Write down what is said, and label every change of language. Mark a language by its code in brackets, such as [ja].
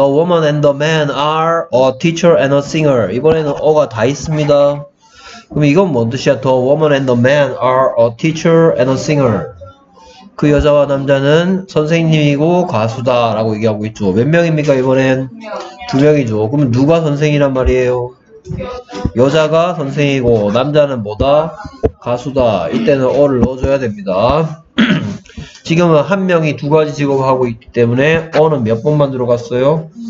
[en] The woman and the man are a teacher and a singer. [ko] 이번에는 어가 다 있습니다. 그럼 이건 뭔 뜻이야? [en] The woman and the man are a teacher and a singer. [ko] 그 여자와 남자는 선생님이고 가수다라고 얘기하고 있죠. 몇 명입니까, 이번엔? 두 명이죠. 그럼 누가 선생이란 말이에요? 여자가 선생이고 남자는 뭐다? 가수다. 이때는 어를 넣어줘야 됩니다. 지금은 한 명이 두 가지 직업을 하고 있기 때문에 어는 몇 번만 들어갔어요?